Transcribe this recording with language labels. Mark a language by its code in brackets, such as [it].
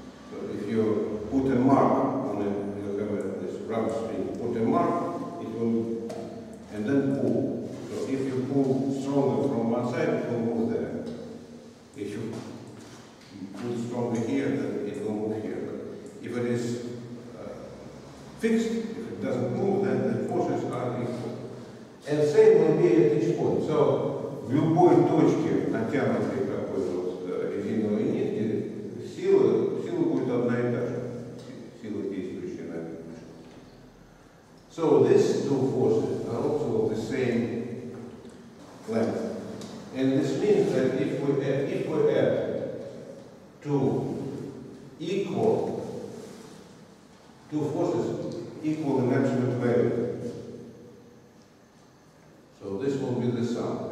[en] So if you put a mark on it, you have this rubber string, put a mark, it will, and then pull. So if you pull stronger from one side, it will move there. If you pull stronger here, then it will move here. But if it is fixed, if it doesn't move, then the forces are equal. And same will be at each point. [ru] So, в любой точке, натянутой какой-то резиновой нитки, сила будет одна и та же. Сила действующая на этом месте. [en] So, these two forces are also of the same length. And this means that if we add two forces equal in absolute value, so this will be the sum.